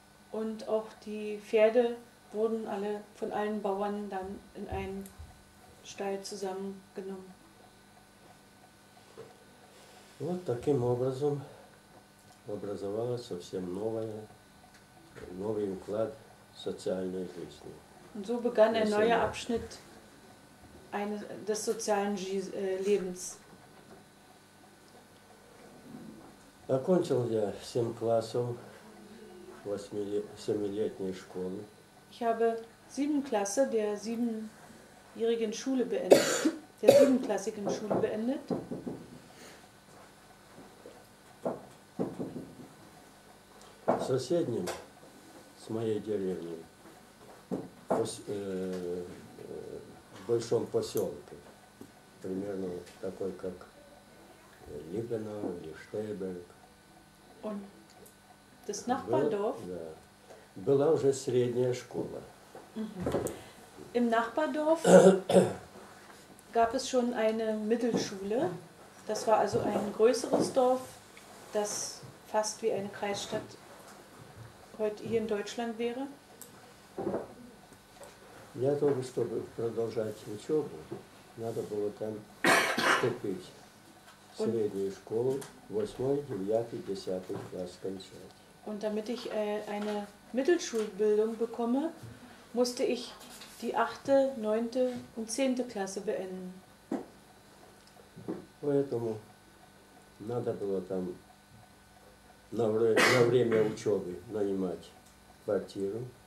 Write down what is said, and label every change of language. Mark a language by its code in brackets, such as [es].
[de] Und auch die Pferde wurden alle von allen Bauern dann in einen Stall zusammengenommen. [ru] Вот таким образом образовалось совсем новое, новый уклад социальной жизни. [de] Und so begann ein neuer Abschnitt des sozialen Lebens. [ru] Окончил я 7 классов 7-летней школы. [de] Ich habe 7 Klasse der 7-jährigen Schule beendet, der 7-klassigen Schule beendet. [ru] Соседним с моей деревней в большом поселке, примерно такой, как Либенау или Штейберг. Он, [de] das Nachbardorf? [ru] Да. Была уже средняя школа. [de] Im Nachbardorf gab es schon eine Mittelschule. Das war also ein größeres Dorf, das fast wie eine Kreisstadt heute hier in Deutschland wäre. [ru] Для того, чтобы продолжать учебу, надо было там вступить в среднюю школу, 8, 9, 10 класс кончать. [de] Und damit ich eine Mittelschulbildung bekomme, musste ich die 8., 9. und 10. Klasse beenden. [ru] Поэтому надо было там на время учебы нанимать квартиру.